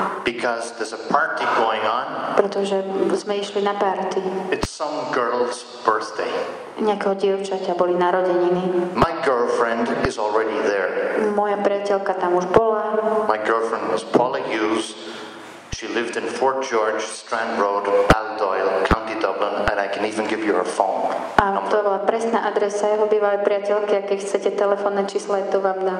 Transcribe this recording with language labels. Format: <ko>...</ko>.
<en>Because there's a party going on.</en> <sk>Pretože sme išli na party.</sk> <en>It's some girl's birthday.</en> <sk>Nejakého dievčaťa boli narodeniny.</sk> <en>My girlfriend is already there.</en> <sk>Moja priateľka tam už bola.</sk> <en>My girlfriend was Paula Hughes. She lived in Fort George, Strand Road, Balldoyle, County Dublin, and I can even give you her phone number.</en> <sk>To bola presná adresa jeho bývalej priateľky, a keď chcete telefónne číslo, to vám dám.</sk>